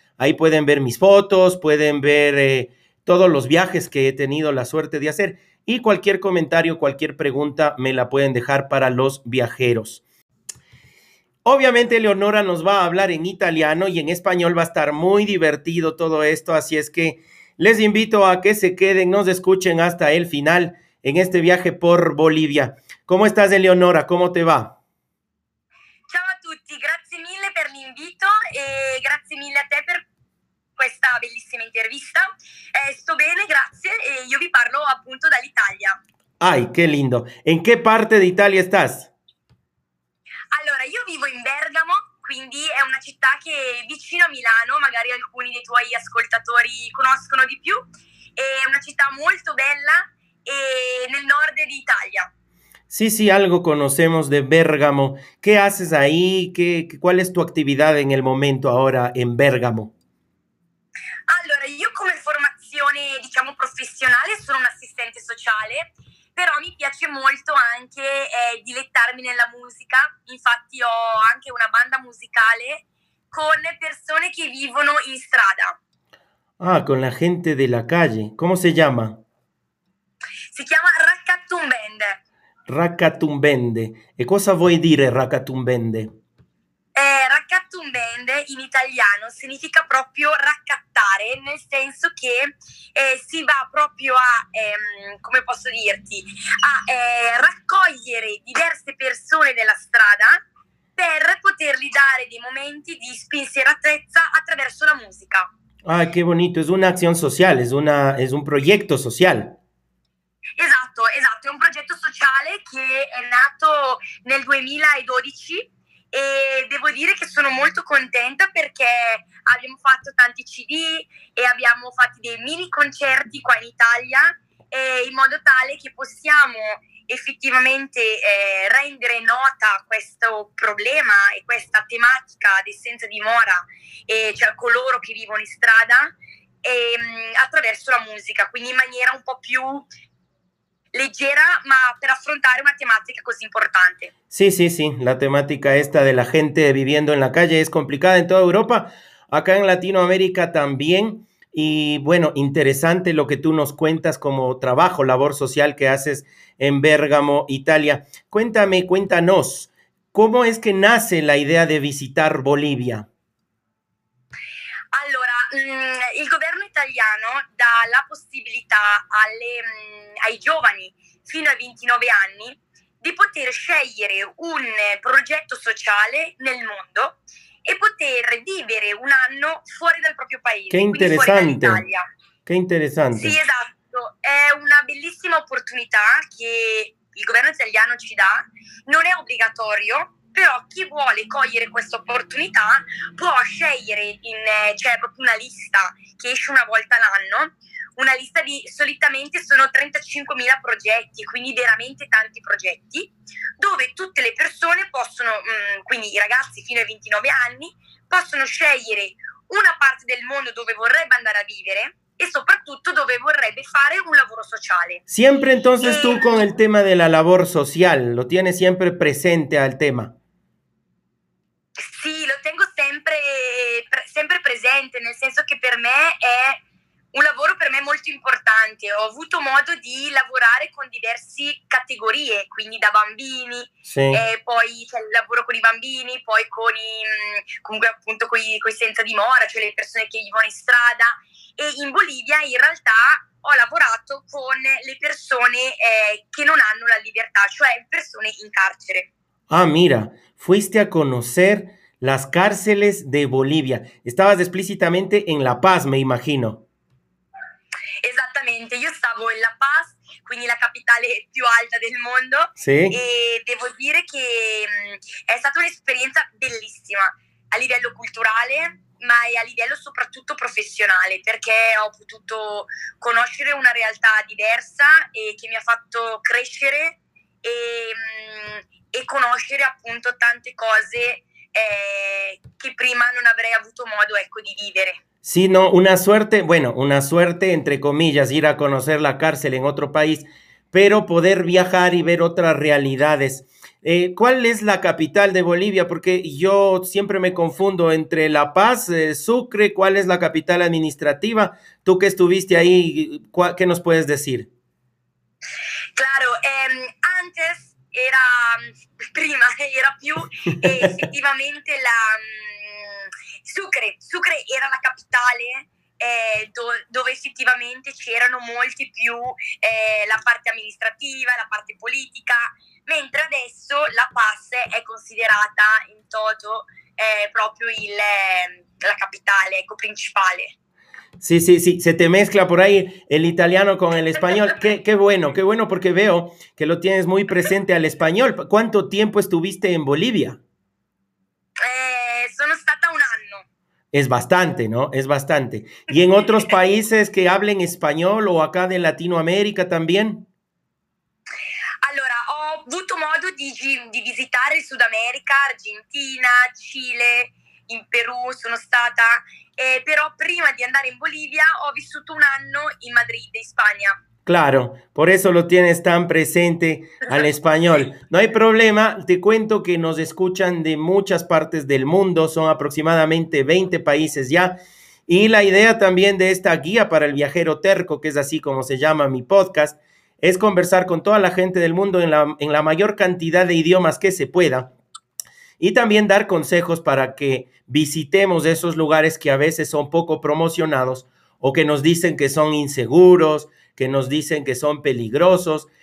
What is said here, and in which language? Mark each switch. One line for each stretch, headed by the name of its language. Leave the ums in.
Spanish: Ahí pueden ver mis fotos, pueden ver eh, todos los viajes que he tenido la suerte de hacer y cualquier comentario, cualquier pregunta me la pueden dejar para los viajeros. Obviamente Leonora nos va a hablar en italiano y en español va a estar muy divertido todo esto, así es que les invito a que se queden, nos escuchen hasta el final en este viaje por Bolivia. ¿Cómo estás, Eleonora? ¿Cómo te va?
Italian: Ciao a tutti, grazie mille per l'invito e grazie mille a te per questa bellissima intervista. Eh, sto bene, grazie, e io vi parlo appunto dall'Italia.
Spanish: Ay, qué lindo. ¿En qué parte de Italia estás?
Italian: Allora, io vivo in Bergamo, quindi è una città che è vicino a Milano, magari alcuni dei tuoi ascoltatori conoscono di più. È una città molto bella e nel nord di Italia.
Spanish: Sí, sí, algo conocemos de Bergamo. ¿Qué haces ahí? ¿Qué, ¿Cuál es tu actividad en el momento ahora en Bergamo?
Italian: Allora, io come formazione, diciamo, professionale sono un assistente sociale, però mi piace molto anche eh, dilettarmi nella musica. Infatti ho anche una banda musicale con persone che vivono in strada.
Spanish: Ah, con la gente de la calle. ¿Cómo se llama?
Italian: Si chiama Raccatumbende. Raccatumbende. E cosa vuoi dire Raccatumbende? Eh, raccattumbende in italiano significa proprio raccattare, nel senso che eh, si va proprio a, ehm, come posso dirti, a eh, raccogliere diverse persone della strada per potergli dare dei momenti di spensieratezza attraverso la musica.
Spanish: Ah, qué bonito, es una acción social, es, una, es un proyecto social.
Italian: Esatto, esatto, è un progetto sociale che è nato nel 2012 e devo dire che sono molto contenta perché abbiamo fatto tanti CD e abbiamo fatto dei mini concerti qua in Italia eh, in modo tale che possiamo effettivamente eh, rendere nota questo problema e questa tematica del senza dimora, eh, cioè coloro che vivono in strada, eh, attraverso la musica, quindi in maniera un po' più ligera, ma per
Spanish: afrontar una temática
Italian: così importante.
Spanish: Sí, sí, sí, la temática esta de la gente viviendo en la calle es complicada en toda Europa, acá en Latinoamérica también. Y bueno, interesante lo que tú nos cuentas como trabajo, labor social que haces en Bérgamo, Italia. Cuéntame, cuéntanos, ¿cómo es que nace la idea de visitar Bolivia?
Italian: Allora, il governo italiano dà la possibilità alle, ai giovani fino ai 29 anni di poter scegliere un progetto sociale nel mondo e poter vivere un anno fuori dal proprio paese. Che interessante. Che interessante. Sì, esatto, è una bellissima opportunità che il governo italiano ci dà, non è obbligatorio, però chi vuole cogliere questa opportunità può scegliere, in, c'è cioè proprio una lista che esce una volta l'anno, una lista di solitamente sono 35.000 progetti, quindi veramente tanti progetti, dove tutte le persone possono, mh, quindi i ragazzi fino ai 29 anni, possono scegliere una parte del mondo dove vorrebbe andare a vivere e soprattutto dove vorrebbe fare un lavoro sociale.
Spanish: Siempre entonces tú con el tema de la labor social, lo tienes siempre presente al tema.
Italian: Sì, lo tengo sempre, pre- sempre presente, nel senso che per me è un lavoro per me molto importante. Ho avuto modo di lavorare con diverse categorie, quindi da bambini,
Spanish: Sí.
Italian: eh, poi c'è il lavoro con i bambini, poi con i, mh, comunque appunto con i, con i senza dimora, cioè le persone che vivono in strada. E in Bolivia in realtà ho lavorato con le persone eh, che non hanno la libertà, cioè persone in carcere.
Spanish: Ah, mira, fuiste a conocer las cárceles de Bolivia. Estabas explícitamente en La Paz, me imagino.
Italian: Esattamente, io stavo in La Paz, quindi la capitale più alta del mondo,
Spanish: Sí.
Italian: e devo dire che mh, è stata un'esperienza bellissima a livello culturale ma e a livello soprattutto professionale perché ho potuto conoscere una realtà diversa e che mi ha fatto crescere e, mh, e conoscere appunto tante cose eh, che prima non avrei avuto modo ecco, di vivere.
Spanish: Sí, no, una suerte, bueno, una suerte entre comillas, ir a conocer la cárcel en otro país, pero poder viajar y ver otras realidades. Eh, ¿Cuál es la capital de Bolivia? Porque yo siempre me confundo entre La Paz, eh, Sucre, ¿cuál es la capital administrativa? Tú que estuviste ahí, ¿cuá- ¿qué nos puedes decir? Claro, ehm, antes era
Italian: prima, era più eh, effettivamente la mm, Sucre. Sucre era la capitale eh, do- dove effettivamente c'erano molti più eh, la parte amministrativa, la parte politica, mentre adesso la Paz è considerata in toto eh, proprio il, ehm, la capitale ecco, principale.
Spanish: Sí, sí, sí, se te mezcla por ahí el italiano con el español. Qué, qué bueno, qué bueno porque veo que lo tienes muy presente al español. ¿Cuánto tiempo estuviste en Bolivia?
Italian: Eh, sono stata un anno.
Spanish: Es bastante, ¿no? Es bastante. ¿Y en otros países que hablen español o acá de Latinoamérica también?
Italian: Allora, ho avuto modo di, gi- di visitare il Sud America, Argentina, Cile, in Perù sono stata, eh, però prima di andare in Bolivia ho vissuto un anno in Madrid, in Spagna.
Spanish: Claro, por eso lo tienes tan presente al español. No hay problema, te cuento que nos escuchan de muchas partes del mundo, son aproximadamente 20 países ya. Y la idea también de esta guía para el viajero terco, que es así como se llama mi podcast, es conversar con toda la gente del mundo en la, en la mayor cantidad de idiomas que se pueda y también dar consejos para que visitemos esos lugares que a veces son poco promocionados o que nos dicen que son inseguros, que nos dicen que son peligrosos.